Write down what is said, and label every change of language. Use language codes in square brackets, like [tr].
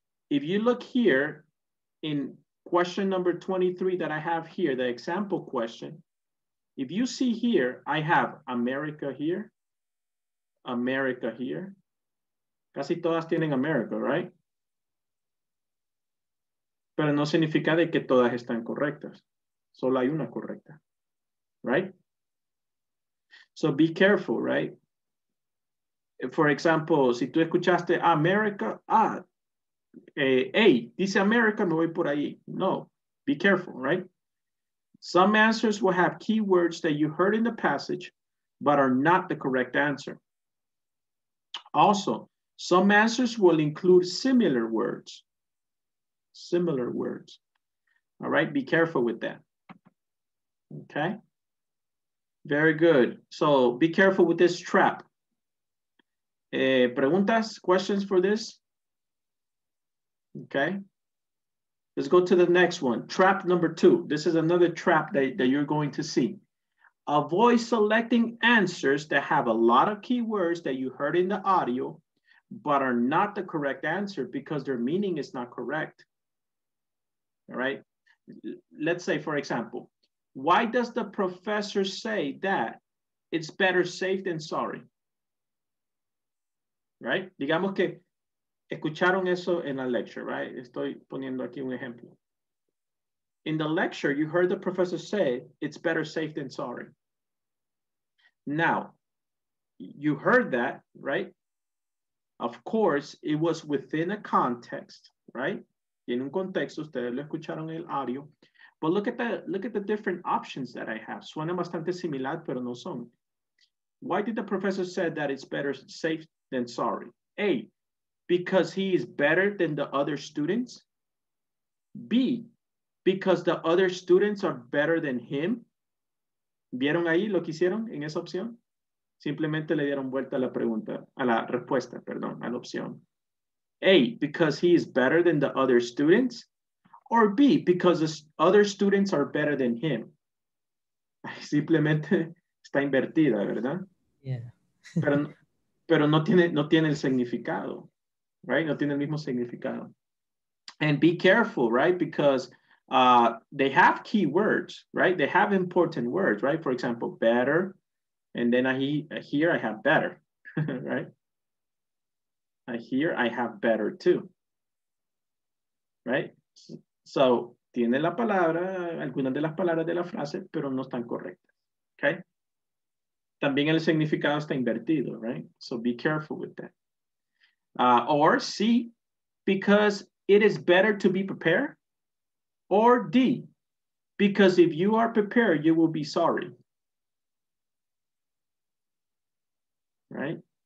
[en] If you look here in question number 23 that I have here, the example question, if you see here, I have America here, America here. [es] Casi todas tienen America, right? Pero no significa de que todas están correctas. Solo hay una correcta, right? [en] So be careful, right? For example, [es] si tú escuchaste America, dice America, me voy por ahí. [en] No, be careful, right? Some answers will have keywords that you heard in the passage, but are not the correct answer. Also, some answers will include similar words. Similar words. All right, be careful with that. Okay, very good. So be careful with this trap. [es] Preguntas, [en] questions for this? Okay, let's go to the next one. Trap number 2. This is another trap that you're going to see. Avoid selecting answers that have a lot of keywords that you heard in the audio, but are not the correct answer because their meaning is not correct. All right, let's say, for example, why does the professor say that it's better safe than sorry? Right? [es] Digamos que escucharon eso en la lecture, right? Estoy poniendo aquí un ejemplo. [en] In the lecture, you heard the professor say it's better safe than sorry. Now, you heard that, right? Of course, it was within a context, right? [es] En un contexto, ustedes lo escucharon en el audio. [en] But look at the different options that I have. [es] Suena bastante similar, pero no son. [en] Why did the professor say that it's better safe than sorry? A, because he is better than the other students. B, because the other students are better than him. [es] ¿Vieron ahí lo que hicieron en esa opción? Simplemente le dieron vuelta a la pregunta, a la respuesta, perdón, a la opción. [en] A, because he is better than the other students. Or B, because the other students are better than him. [es] Simplemente está invertida, ¿verdad? [en] Yeah. [es] pero no tiene el significado, right? No tiene el mismo significado. [en] And be careful, right? Because they have keywords, right? They have important words, right? For example, better, and then here I have better, right? Here I have better too, right? [es] So, tiene la palabra, algunas de las palabras de la frase, pero no están correctas, okay? También el significado está invertido, right? [en] So be careful with that. Or C, because it is better to be prepared. Or D, because if you are prepared, you will be sorry. Right?